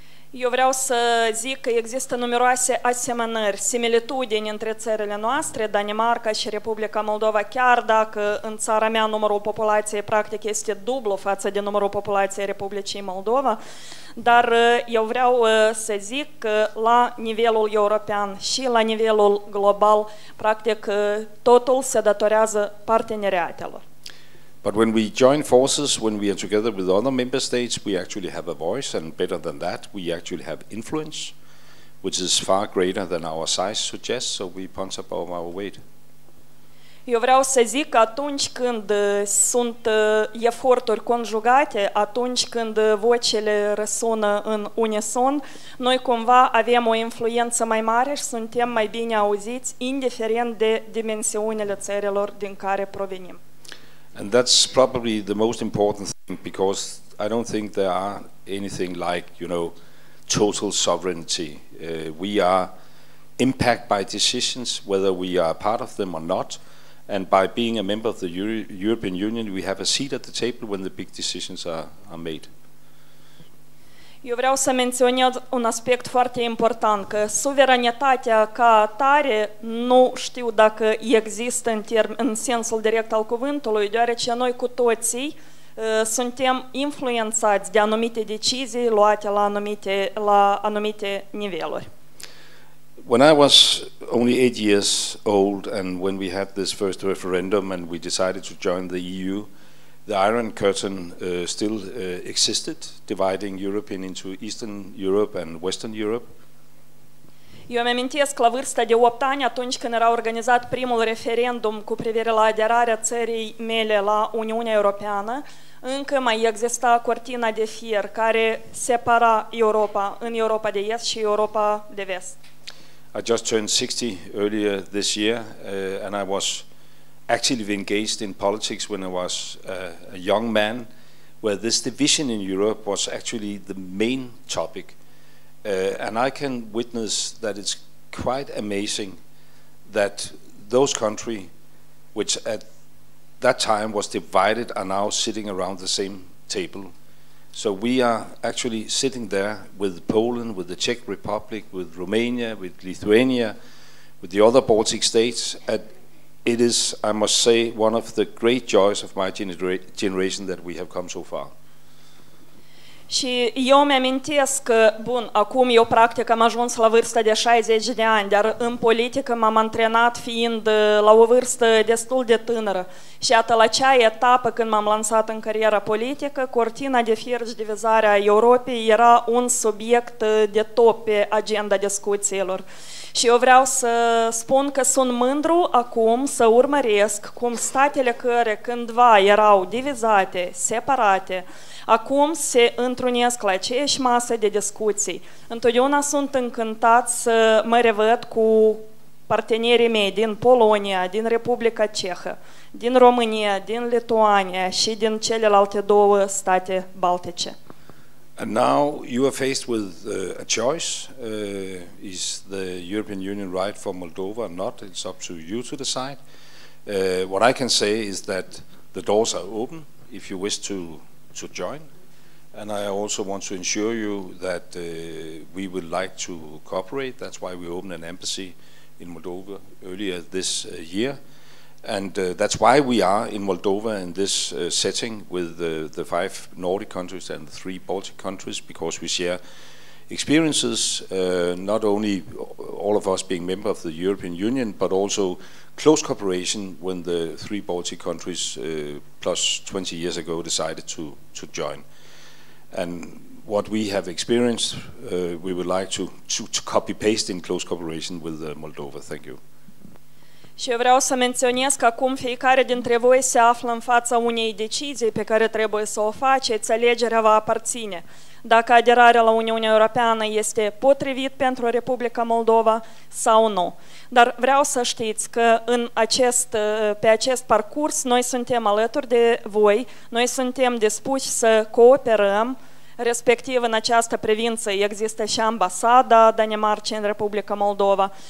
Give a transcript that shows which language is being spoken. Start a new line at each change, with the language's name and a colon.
Romanian: Eu vreau să zic că există numeroase asemănări, similitudini între țările noastre, Danemarca și Republica Moldova, chiar dacă în țara mea numărul populației practic este dublu față de numărul populației Republicii Moldova, dar eu vreau să zic că la nivelul european și la nivelul global, practic totul se datorează parteneriatelor.
English: But when we join forces, when we are together with other member states, we actually have a voice, and better than that, we actually have influence, which is far greater than our size suggests, so we punch above our weight. Eu vreau să zic că atunci când sunt eforturi conjugate, atunci când vocile răsună în unison, noi cumva avem o influență mai mare și suntem mai bine auziți, indiferent de dimensiunile țărilor din care provenim. And that's probably the most important thing, because I don't think there are anything like, you know, total sovereignty. We are impacted by decisions, whether we are part of them or not. And by being a member of the European Union, we have a seat at the table when the big decisions are made.
Romanian: Eu vreau să menționez un aspect foarte important, că suveranitatea ca atare nu știu dacă există în sensul direct al cuvântului, deoarece noi cu toții suntem influențați de anumite decizii luate la anumite, la anumite niveluri.
English: When I was only 8 years old and when we had this first referendum and we decided to join the EU, the Iron Curtain still existed, dividing Europe into Eastern Europe and Western Europe.
Romanian: Eu îmi amintesc la vârsta de 8 ani, atunci când era organizat primul referendum cu privire la aderarea țării mele la Uniunea Europeană, încă mai exista cortina de fier care separa Europa în Europa de Est și Europa de Vest.
English: I just turned 60 earlier this year, and I was actually engaged in politics when I was a young man, where this division in Europe was actually the main topic. And I can witness that it's quite amazing that those countries, which at that time was divided, are now sitting around the same table. So we are actually sitting there with Poland, with the Czech Republic, with Romania, with Lithuania, with the other Baltic states. And it is, I must say, one of the great joys of my generation that we have come so far.
Romanian: Și eu mi-amintesc că, bun, acum eu practic am ajuns la vârsta de 60 de ani, dar în politică m-am antrenat fiind la o vârstă destul de tânără. Și atât la cea etapă când m-am lansat în cariera politică, cortina de fier și divizarea Europei era un subiect de top pe agenda discuțiilor. Și eu vreau să spun că sunt mândru acum să urmăresc cum statele care cândva erau divizate, separate, acum se întrunesc la aceeași masă de discuții. Întotdeauna sunt încântat să mă revăd cu partenerii mei din Polonia, din Republica Cehă, din România, din Lituania și din celelalte două state baltice.
English: And now you are faced with a choice. Is the European Union right for Moldova or not? It's up to you to decide. What I can say is that the doors are open if you wish to join. And I also want to assure you that we would like to cooperate. That's why we opened an embassy in Moldova earlier this year. And that's why we are in Moldova in this setting with the five Nordic countries and the three Baltic countries, because we share experiences, not only all of us being members of the European Union, but also close cooperation when the three Baltic countries plus 20 years ago decided to join. And what we have experienced, we would like to copy-paste in close cooperation with Moldova. Thank you.
Romanian: Și eu vreau să menționez că acum fiecare dintre voi se află în fața unei decizii pe care trebuie să o faceți, alegerea va aparține. Dacă aderarea la Uniunea Europeană este potrivit pentru Republica Moldova sau nu. Dar vreau să știți că pe acest parcurs noi suntem alături de voi, noi suntem dispuși să cooperăm, respectiv în această privință există și ambasada Danemarcei în Republica Moldova.